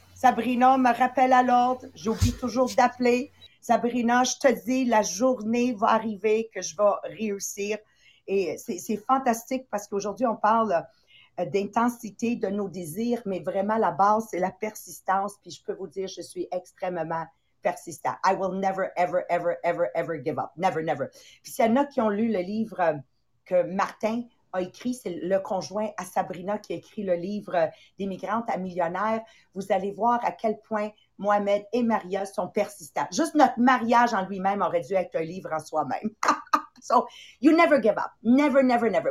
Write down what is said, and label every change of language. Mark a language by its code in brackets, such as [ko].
[fr] Sabrina me rappelle à l'ordre. J'oublie toujours d'appeler. Sabrina, je te dis, la journée va arriver que je vais réussir. Et c'est fantastique parce qu'aujourd'hui, on parle d'intensité de nos désirs, mais vraiment la base, c'est la persistance. Puis je peux vous dire, je suis extrêmement persistant. [en] I will never, ever, ever, ever, ever give up. Never, never. [fr] Puis s'il y en a qui ont lu le livre que Martin a écrit, c'est le conjoint à Sabrina qui a écrit le livre d'Immigrante à millionnaire, vous allez voir à quel point Mohamed et Maria sont persistants. Juste notre mariage en lui-même aurait dû être un livre en soi-même. [en] So, you never give up. Never, never, never.